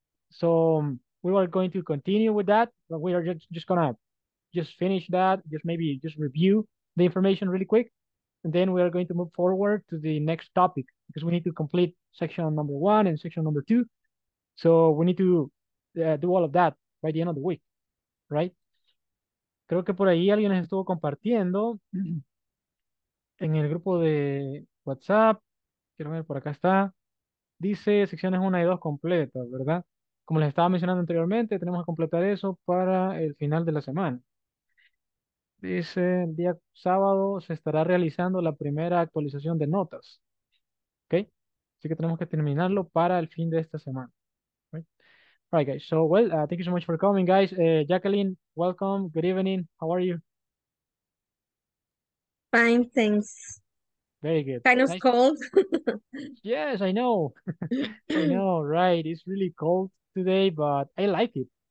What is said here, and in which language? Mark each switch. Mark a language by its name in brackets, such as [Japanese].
[English] So we were going to continue with that, but we are just gonna just finish that, just maybe just review the information really quick, and then we are going to move forward to the next topic because we need to complete section number one and section number two. So we need to do all of that by the end of the week, right? [Spanish] Creo que por ahí alguien estuvo compartiendo en el grupo de WhatsApp. Quiero ver, por acá está. Dice secciones 1 y 2 completas, ¿verdad? Como les estaba mencionando anteriormente, tenemos que completar eso para el final de la semana. Dice, el día sábado se estará realizando la primera actualización de notas. ¿Ok? Así que tenemos que terminarlo para el fin de esta semana. [English] Right, guys. So, well, thank you so much for coming, guys. Jacqueline, welcome. Good evening. How are you? Fine, thanks. Very good. Kind of Nice. cold. Yes, I know. I know, right? It's really cold today, but I like it.